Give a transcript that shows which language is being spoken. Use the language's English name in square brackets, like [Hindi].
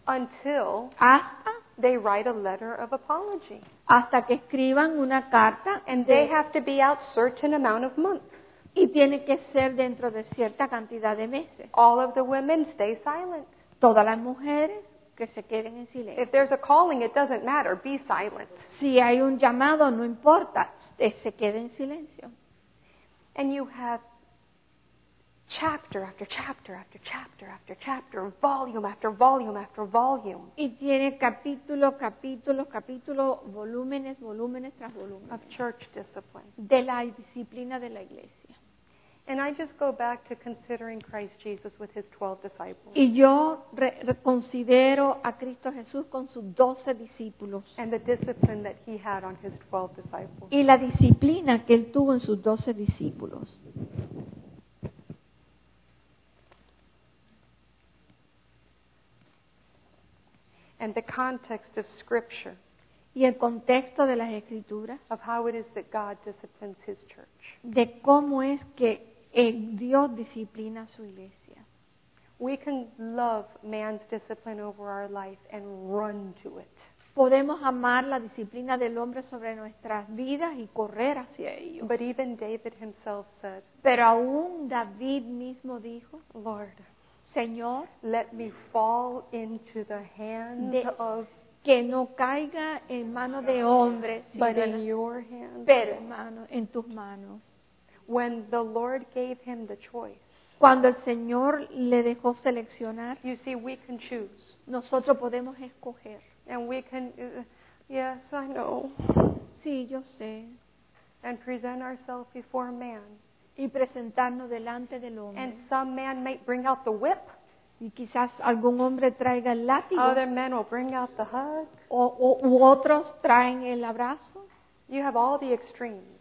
[English] Until [Spanish] hasta [English] they write a letter of apology. [Spanish] Hasta que escriban una carta. [English] And they have to be out certain amount of months. [Spanish] Y tiene que ser dentro de cierta cantidad de meses. [English] All of the women stay silent. [Spanish] Todas las mujeres que se queden en silencio. [English] If there's a calling, it doesn't matter. Be silent. [Spanish] Si hay un llamado, no importa. Se quede en silencio. [English] And you have chapter after chapter after chapter after chapter, volume after volume after volume. [Spanish] Y tiene capítulo, capítulo, capítulo, volúmenes, volúmenes tras volúmenes. [English] Of church discipline. [Spanish] De la disciplina de la iglesia. [English] And I just go back to considering Christ Jesus with his 12 disciples. [Spanish] Y yo reconsidero a Cristo Jesús con sus 12 discípulos. [English] And the discipline that he had on his 12 disciples. [Spanish] Y la disciplina que él tuvo en sus 12 discípulos. [English] And the context of scripture. [Spanish] Y el contexto de las escrituras. [English] Of how it is that God disciplines his church. [Spanish] De cómo es que Dios disciplina su iglesia. [English] We can love man's discipline over our life and run to it. [Spanish] Podemos amar la disciplina del hombre sobre nuestras vidas y correr hacia ello. [English] But even David himself said, [Spanish] pero aún David mismo dijo, [English] Lord, [Spanish] Señor, [English] let me fall into the hands of [Spanish] que no caiga en manos de hombres, [English] but in your hands, [Spanish] pero mano, en tus manos. [English] When the Lord gave him the choice. [Spanish] Cuando el Señor le dejó seleccionar. [English] You see, we can choose. [Spanish] Nosotros podemos escoger. [English] And we can, yes, I know. [Spanish] Sí, yo sé. [English] And present ourselves before man. [Spanish] Y presentarnos delante del hombre. [English] And some man might bring out the whip. [Spanish] Y quizás algún hombre traiga el látigo. [English] Other men will bring out the hug. [Spanish] O otros traen el abrazo. [English] You have all the extremes.